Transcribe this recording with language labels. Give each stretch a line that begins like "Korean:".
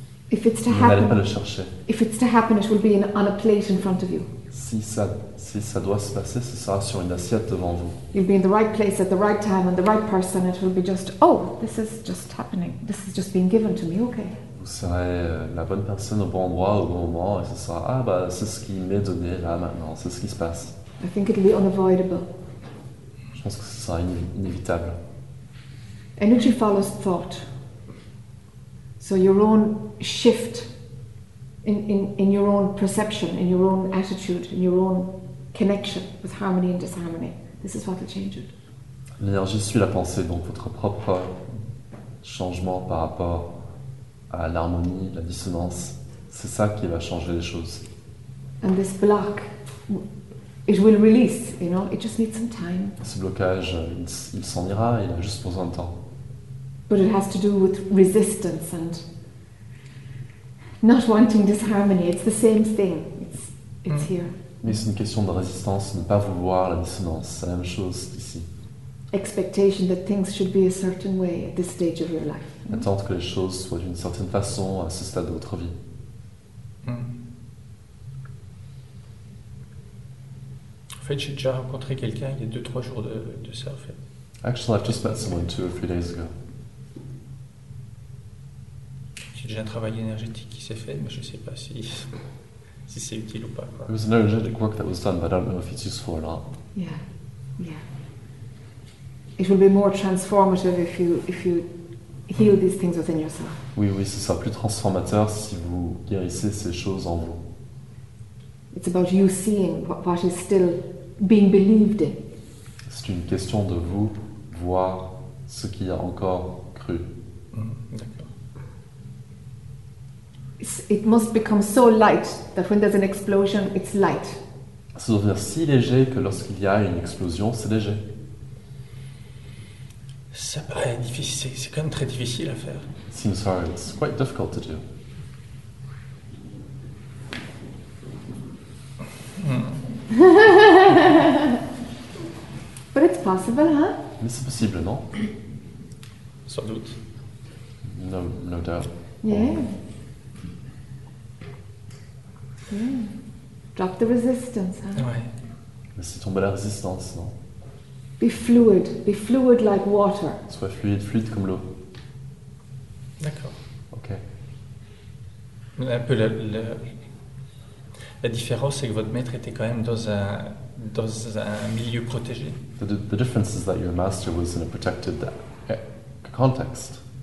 English: if it's to
French: vous
English: happen,
French: n'allez pas le chercher.
English: If it's to happen, it will be on a plate in front of you.
French: Si ça doit se passer, ce sera sur une assiette devant vous.
English: You'll be in the right place at the right time and the right person. It will be just, oh, this is just happening. This is just being given to me. Okay.
French: Vous serez la bonne personne au bon endroit, au bon moment, et ce sera, ah bah, c'est ce qui m'est donné là, maintenant, c'est ce qui se passe.
English: I think it'll be unavoidable.
French: Je pense que ce sera inévitable.
English: Energy follows thought. So your own shift in your own perception, in your own attitude, in your own connection with harmony and disharmony, this is what will change it.
French: L'énergie suit la pensée, donc votre propre changement par rapport à l'harmonie, la dissonance, c'est ça qui va changer les choses.
English: And this block, it will release, you know, it just needs some time.
French: Ce blocage, il s'en ira, il a juste besoin de temps.
English: But it has to do with resistance and not wanting disharmony. It's the same thing. It's here.
French: Mais c'est une question de résistance, ne pas vouloir la dissonance, c'est la même chose ici.
English: Expectation that things should be a certain way at this stage of your life.
French: Attendre que les choses soient d'une certaine façon à ce stade de votre vie. fait, j'ai déjà rencontré quelqu'un il y a 2-3 jours de ça, en fait.
English: Actually, I've just met someone 2 or 3 days ago.
French: J'ai déjà un travail énergétique qui s'est fait, mais je ne sais pas si c'est utile ou pas.
English: It was an energetic work that was done, but I don't know if it's useful or not. Yeah, yeah. It will be more transformative if you heal these things within yourself.
French: Oui, ce sera plus transformateur si vous guérissez ces choses en vous.
English: It's about you seeing what is still being believed in.
French: C'est une question de vous voir ce qu'il y a encore cru. D'accord.
English: It must become so light that when there's an explosion, it's light.
French: Ça doit devenir si léger que lorsqu'il y a une explosion, c'est léger. Ça paraît difficile, c'est quand même très difficile à faire.
English: It seems hard, it's quite difficult to do. But it's possible, huh?
French: Mais c'est possible, non? Sans doute.
English: No doubt. Yeah. Drop the resistance, huh?
French: Ouais. Mais c'est tomber la résistance, non?
English: Be fluid like water.
French: Sois fluide, fluide comme l'eau. D'accord. Ok. Un peu la différence, c'est que votre maître était quand même dans un milieu protégé.
English: The difference is that your master was in a protected context.